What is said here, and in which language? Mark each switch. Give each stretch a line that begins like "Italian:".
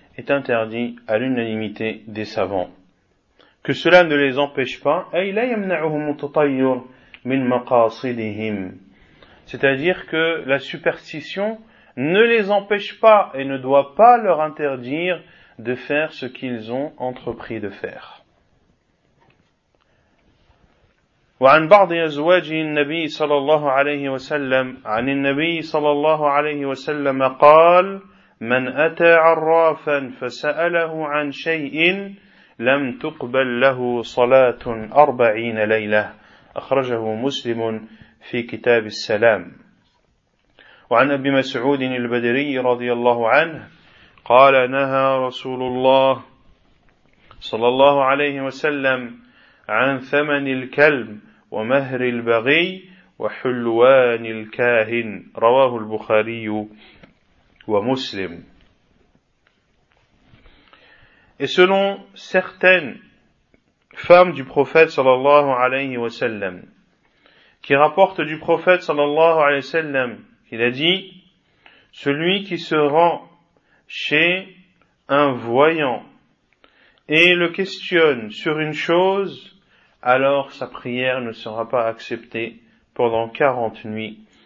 French: est interdit à l'unanimité des savants. Que cela ne les empêche pas,
Arabic: أي لا يمنعهم التطير من مقاصدهم.
French: C'est-à-dire que la superstition ne les empêche pas et ne doit pas leur interdire de faire ce qu'ils ont entrepris de faire.
Arabic: وعن بعض أزواج النبي صلى الله عليه وسلم عن النبي صلى الله عليه وسلم قال من أتى عرافا فسأله عن شيء لم تقبل له صلاة 40 ليلة أخرجه مسلم في كتاب السلام وعن أبي مسعود البدري رضي الله عنه قال نهى رسول الله صلى الله عليه وسلم عن ثمن الكلب ومهر البغي وحلوان الكاهن رواه البخاري ومسلم.
French: Et selon certaines femmes du prophète sallallahu alayhi wa sallam qui rapportent du prophète sallallahu alayhi wa sallam qu'il a dit celui qui se rend chez un voyant et le questionne sur une chose alors sa prière ne sera pas acceptée pendant 40 nuits.